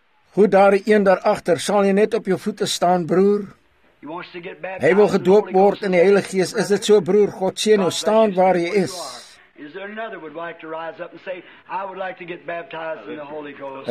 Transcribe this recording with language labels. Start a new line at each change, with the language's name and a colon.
Afrikaans: Hoe daar die een daarachter, sal jy net op jou voete staan, broer? Hy wil gedoop word in die Heilige Gees, is dit so, broer? God sê nou, staan waar jy is.
English: Is there another would like to rise up and say, I would like to get baptized in the Holy Ghost?